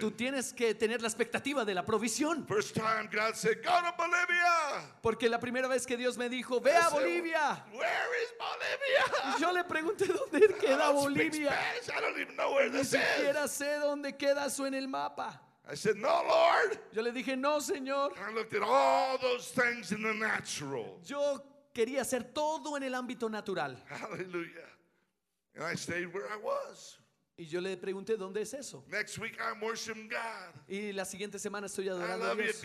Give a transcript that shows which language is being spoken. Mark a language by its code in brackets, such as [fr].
[es] Tú tienes que tener la expectativa de la provisión. [en] First time God said, "Go to Bolivia." [es] Porque la primera vez que Dios me dijo, "Ve a Bolivia." [en] Where is Bolivia? [es] Y yo le pregunté dónde queda Bolivia. [en] I don't even know where this is. [es] Ni siquiera sé dónde queda eso en el mapa. [en] I said, "No, Lord." [es] Yo le dije, "No, Señor." [en] And I looked at all those things in the natural. [es] Yo quería hacer todo en el ámbito natural. [en] Hallelujah. And I stayed where I was. [es] Y yo le pregunté, ¿dónde es eso? [en] Next week I'm worshiping God. [es] Y la siguiente semana estoy adorando a Dios.